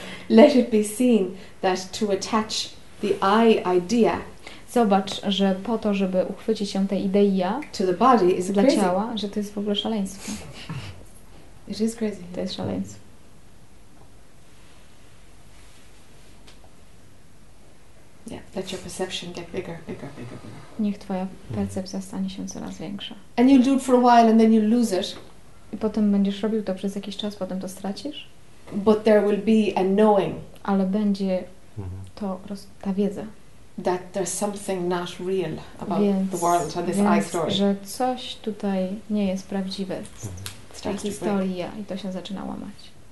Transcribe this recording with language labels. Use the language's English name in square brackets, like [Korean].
[English] Let it be seen that to attach the I idea. [Polish] zobacz, że po to, żeby uchwycić się tej idei ja, [English] to the body is [Polish] dla [English] crazy. [Polish] Ciała, że to jest w ogóle szaleństwo. [English] It is crazy. [Polish] To jest szaleństwo. [English] Yeah, let your perception get bigger, bigger, bigger, bigger. [Polish] Niech twoja percepcja stanie się coraz większa. [English] And you do it for a while and then you lose it. [Polish] I potem będziesz robił to przez jakiś czas, potem to stracisz. [English] But there will be a knowing. [Polish] Ale będzie to ta wiedza. [English] That there's something not real about the world or this I story. [Polish] Że coś tutaj nie jest prawdziwe. Ta historia i to się zaczyna łamać.